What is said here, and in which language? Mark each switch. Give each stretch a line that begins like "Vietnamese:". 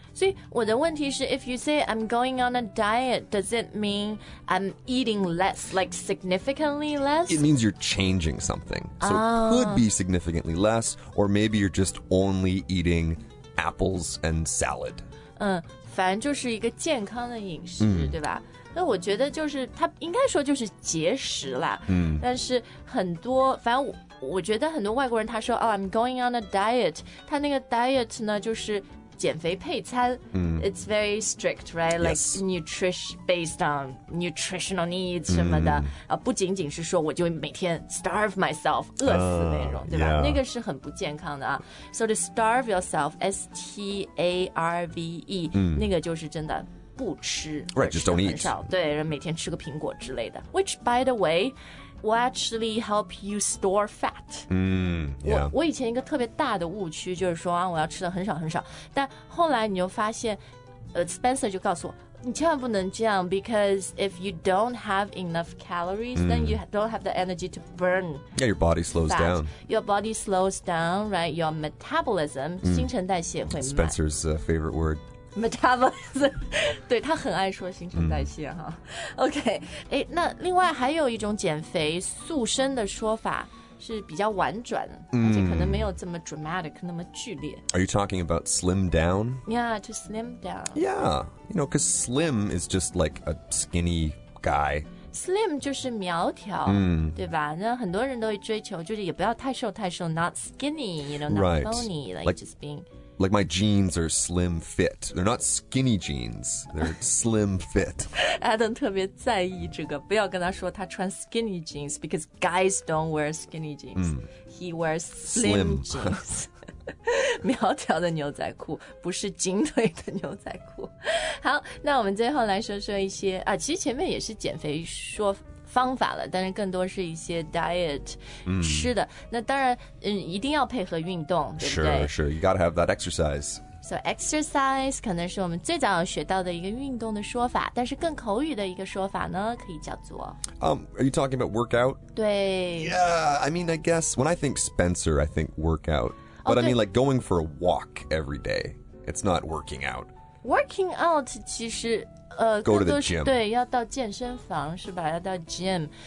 Chinese: 所以我的问题是
English: if you say I'm going on a diet, does it mean I'm eating less, like significantly less? It means you're changing something. So、 oh. it could be significantly less, or maybe you're just only eating apples and salad.
Chinese: 反正就是一个健康的饮食、mm. 对吧那我觉得就是它应该说就是节食啦、 mm. 但是很多反正 我觉得很多外国人他说、
English: oh, I'm going on a diet,
Chinese: 他那个 diet 呢就是减肥配餐、 mm.
English: It's very strict, right? Like、 yes. based on nutritional needs
Chinese: 什么的、
English: mm.
Chinese: 啊、不仅仅是说我就每天
English: starve myself
Chinese: 饿死那种、对吧、
English: yeah.
Chinese: 那个是很不健康的啊
English: So to starve yourself
Chinese: S-T-A-R-V-E、 mm. 那个就是真的不吃
English: Right,
Chinese: 吃就
English: don't eat
Chinese: 少对每天吃个苹果之类的
English: Which, by the way will actually help you store fat. 嗯、mm, yeah.
Chinese: 我以前一个特别大的误区就是说、啊、我要吃的很少很少但后来你就发现、Spencer 就告诉我你千万不能这样
English: because if you don't have enough calories,、mm. then you don't have the energy to burn Yeah, your body slows、 fat. down. Your body slows down, right? Your metabolism,、
Chinese: mm. 新陈代谢会慢。
English: Spencer's、favorite word.
Chinese: Metabolism 对他很爱说新陈代谢、嗯、哈 OK 诶那另外还有一种减肥塑身的说法是比较婉转、嗯、而且可能没有这么 dramatic 那么剧烈
English: Are you talking about slim down? Yeah, to slim down Yeah, you know, because slim is just like a skinny guy
Chinese: Slim 就是苗条、嗯、对吧那很多人都会追求就是也不要太瘦太瘦
English: Not skinny, you know, not、 right. bony like just being Like my jeans are slim fit. They're not skinny jeans. They're slim fit.
Chinese: Adam 特别在意这个，不要跟他说他穿 skinny jeans
English: because guys don't wear skinny jeans.、 Mm. He wears slim jeans.
Chinese: 苗条的牛仔裤，不是紧腿的牛仔裤。好，那我们最后来说说一些啊，其实前面也是减肥说。方法了但是更多是一些 diet、 mm. 吃的那当然、嗯、一定要配合运动对不对
English: sure you gotta have that exercise
Chinese: So exercise 可能是我们最早学到的一个运动的说法，但是更口语的一个说法呢，可以叫做。
English: Are you talking about workout?
Chinese: 对。
English: Yeah, I mean, I guess when I think Spencer, I think workout. But、oh, I mean, like going for a walk every day. It's not working out.
Chinese: Working out 其实
English: Go to the gym.
Chinese: 对，要到健身房是吧？要到 gym.